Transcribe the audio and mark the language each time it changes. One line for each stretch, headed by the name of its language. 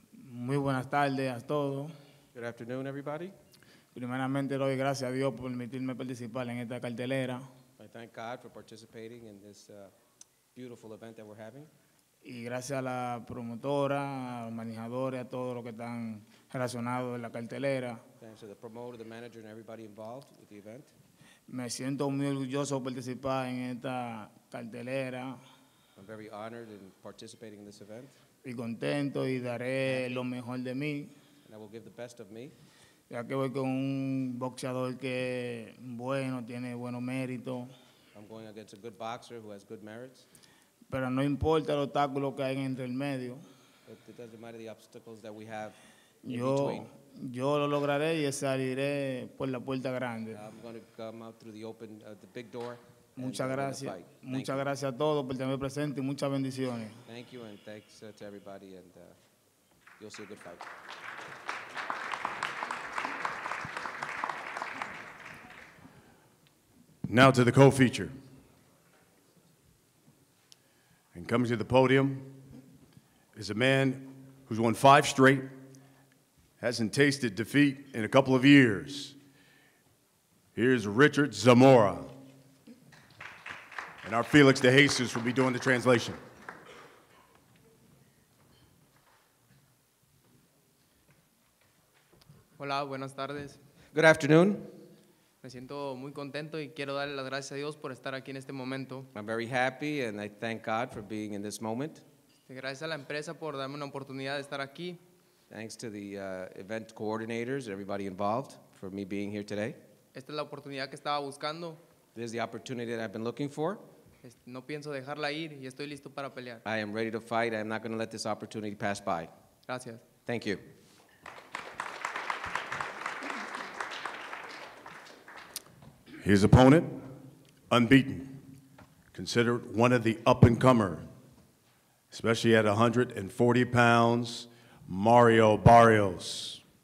Spanish: Muy buenas tardes a todos.
English: Good afternoon, everybody.
Spanish: Primeramente doy gracias a Dios por permitirme participar en esta cartelera.
English: I thank God for participating in this beautiful event that we're having.
Spanish: Y gracias a la promotora, a los manejadores, a todos los que están relacionados en la cartelera.
English: Thanks to the promoter, the manager, and everybody involved with the event.
Spanish: Me siento muy orgulloso de participar en esta cartelera.
English: I'm very honored in participating in this event.
Spanish: Y contento y daré lo mejor de mí.
English: And I will give the best of me.
Spanish: Ya que voy con un boxeador que bueno, tiene buenos méritos.
English: I'm going against a good boxer who has good merits.
Spanish: Pero no importa el obstáculo que hay entre el medio.
English: But it doesn't matter the obstacles that we have in between.
Spanish: Yo lo lograré y saliré por la puerta grande.
English: I'm going to come out through the open, the big door.
Spanish: Muchas gracias. Muchas gracias a todos por tenerme presente y muchas bendiciones.
English: Thank you and thanks to everybody and you'll see a good fight. Now to the co-feature. And coming to the podium is a man who's won 5 straight, hasn't tasted defeat in a couple of years. Here's Richard Zamora. And our Felix De Jesus will be doing the translation.
Spanish: Hola, buenas tardes.
English: Good afternoon.
Spanish: Me siento muy contento y quiero darle las gracias a Dios por estar aquí en este momento.
English: I'm very happy and I thank God for being in this moment.
Spanish: Gracias a la empresa por darme una oportunidad de estar aquí.
English: Thanks to the event coordinators, everybody involved, for me being here today.
Spanish: Esta es la oportunidad que estaba buscando.
English: This is the opportunity that I've been looking for.
Spanish: No pienso dejarla ir y estoy listo para pelear.
English: I am ready to fight. I am not going to let this opportunity pass by.
Spanish: Gracias.
English: Thank you. His opponent, unbeaten, considered one of the up-and-comer, especially at 140 pounds, Mario Barrios.